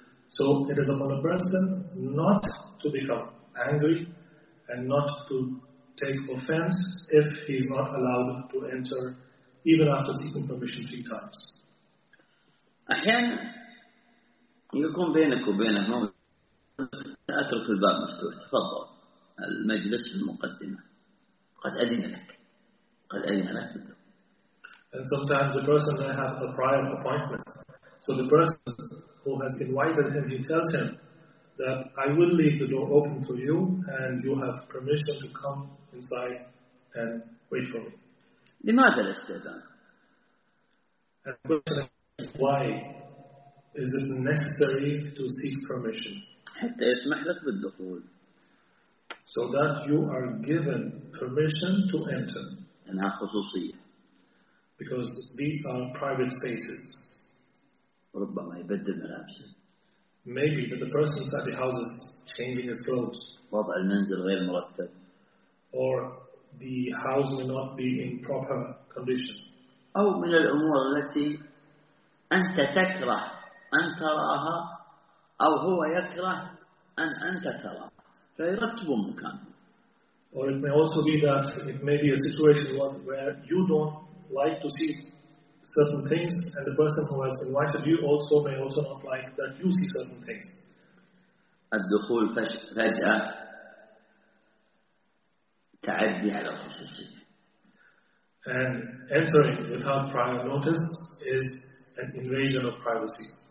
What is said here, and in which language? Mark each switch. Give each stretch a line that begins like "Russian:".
English: So it is upon a person not to become angry and not to take offense if he is not allowed to enter even after seeking permission three times.
Arabic: أحيانا يكون بينك وبينك موقف أترك الباب مفتوح تفضل المجلس المقدمة قد أذن لك قد أذن لك.
English: And sometimes the person may have a prior appointment, so the person who has invited him, he tells him that I will leave the door open for you and you have permission to come inside and wait for me.
Arabic: لماذا الاستئذان؟
English: And the question is, why is it necessary to seek permission?
Arabic: حتى يسمح لك بالدخول.
English: So that you are given permission to enter.
Arabic: أنها خصوصية.
English: Because these are private spaces.
Arabic: ربما يبدل ملابسه.
English: Maybe that the person inside the house is changing his clothes.
Arabic: وضع المنزل غير مرتب.
English: Or the house may not be in proper condition.
Arabic: أو من الأمور التي أنت تكره أن تراها أو هو يكره أن أنت ترى. فيرتب المكان.
English: Or it may also be that it may be a situation where you don't like to see certain things, and the person who has invited you also may also not like that you see certain things.
Arabic: الدخول فجأة تعدي على الخصوصية.
English: And entering without prior notice is an invasion of privacy.